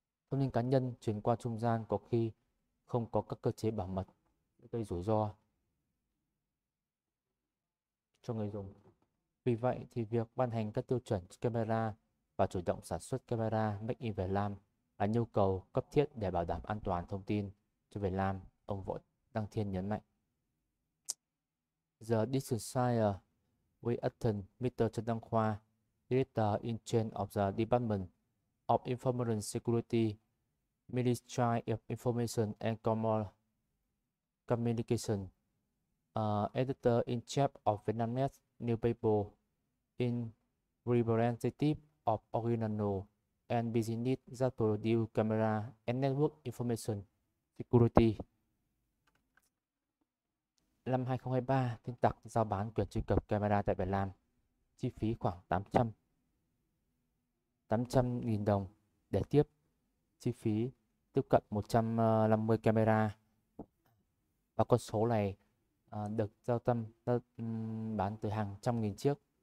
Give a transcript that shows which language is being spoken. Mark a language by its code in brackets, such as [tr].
[vi] Thông tin cá nhân chuyển qua trung gian có khi không có các cơ chế bảo mật, gây rủi ro cho người dùng. Vì vậy thì việc ban hành các tiêu chuẩn camera và chủ động sản xuất camera Make in Việt Nam là nhu cầu cấp thiết để bảo đảm an toàn thông tin cho Việt Nam, ông Võ Đăng Thiên nhấn mạnh. [en] The decision we attend Mr. Trần Đăng Khoa, Director in Charge of the Department of Information Security, Ministry of Information and Communication, Editor in Chief of Vietnamnet Newspaper, in representative of organizational and business that produce camera and network information security. [vi] Năm 2023, tin tặc giao bán quyền truy cập camera tại Việt Nam, chi phí khoảng 800.000 đồng để tiếp, chi phí tiếp cận 150 camera. Và con số này được giao tâm bán từ hàng trăm nghìn chiếc.